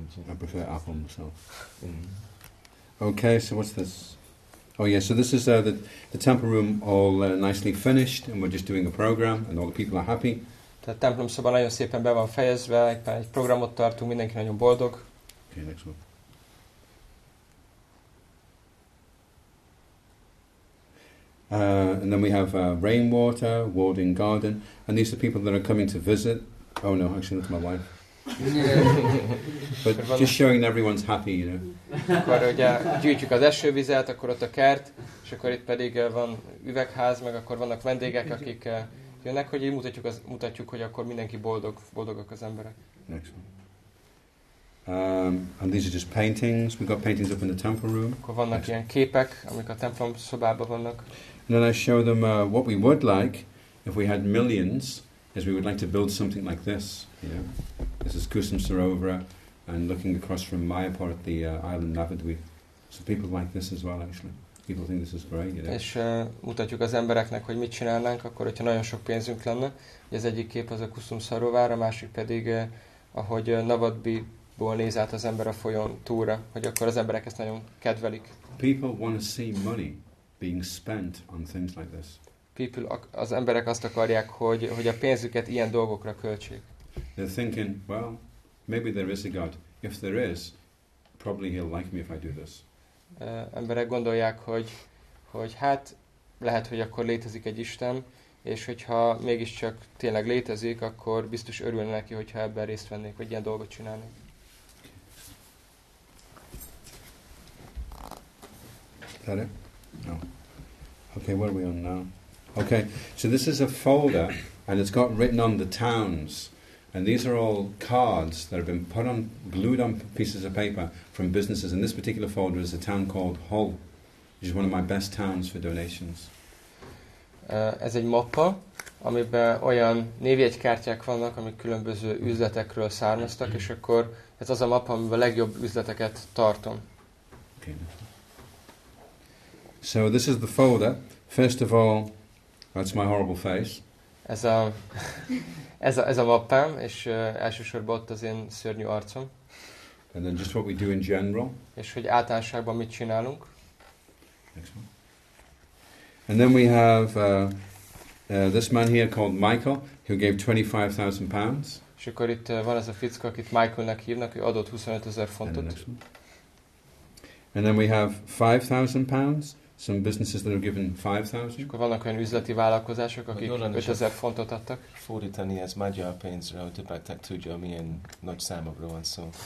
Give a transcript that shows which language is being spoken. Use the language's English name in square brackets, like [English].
[English] I prefer apple myself. Okay, so what's this? Oh yeah, so this is the temple room all nicely finished, and we're just doing a program, and all the people are happy. [Hungarian] A templom szoba nagyon szépen be van fejezve, egy programot tartunk, mindenki nagyon boldog. [English] Okay, next one. And then we have rainwater, warding garden, and these are people that are coming to visit. Oh no, actually that's my wife. But just showing everyone's happy, you know. [Hungarian] Akkor ugye gyűjtjük az esővizet, akkor ott a kert, és akkor itt pedig van üvegház, meg akkor vannak vendégek, akik jönnek, hogy így mutatjuk, hogy akkor mindenki boldog, boldogak az emberek. [English] Next one. And these are just paintings. We've got paintings up in the temple room. [Hungarian] Akkor vannak ilyen képek, amik a templom szobában vannak. [English] And then I show them what we would like if we had millions, is we would like to build something like this. You know? This is Kusum Sarovara, and looking across from Mayapur at the island Navadvip. So people like this as well, actually. People think this is great. You know? [Hungarian] És mutatjuk az embereknek, hogy mit csinálnánk, akkor hogyha nagyon sok pénzünk lenne. Ugye az egyik kép az a Kusum Sarovara, a másik pedig, ahogy Navadvipból néz át az ember a folyón túlra, hogy akkor az emberek ezt nagyon kedvelik. [English] People want to see money being spent on things like this. People, [Hungarian] az emberek azt akarják, hogy a pénzüket ilyen dolgokra költsék. [English] They're thinking, well, maybe there is a God. If there is, probably he'll like me if I do this. [Hungarian] Emberek gondolják, hogy hát lehet, hogy akkor létezik egy Isten, és hogyha mégiscsak tényleg létezik, akkor biztos örülne neki, hogyha ebben részt vennék, vagy ilyen dolgot csinálnék. [English] Is that it? No. Okay, where are we on now? Okay, so this is a folder, and it's got written on the towns, and these are all cards that have been put on, glued on pieces of paper from businesses. And this particular folder is a town called Hull, which is one of my best towns for donations. [Hungarian] Ez egy mappa, amiben olyan névjegykártyák vannak, amik különböző üzletekről származtak, és akkor ez az a mappa, amiben a legjobb üzleteket tartom. [English] Okay. So this is the folder. First of all, that's my horrible face. [Hungarian] Ez a mappám, és elsősorban ott az én szörnyű arcom. [English] And then just what we do in general. [Hungarian] És hogy általánosságban mit csinálunk. [English] Excellent. And then we have this man here called Michael, who gave £25,000. [Hungarian] És akkor itt van ez a fickó, akit Michaelnek hívnak, ő adott 25,000 fontot. [English] And, and then we have £5,000. Some businesses that have given 5,000. [Hungarian] Akkor vannak olyan üzleti vállalkozások, akik 5,000 fontot adtak. Fordítani ez magyar pénzre, hogy debattak tudja, milyen nagy számokról van szó.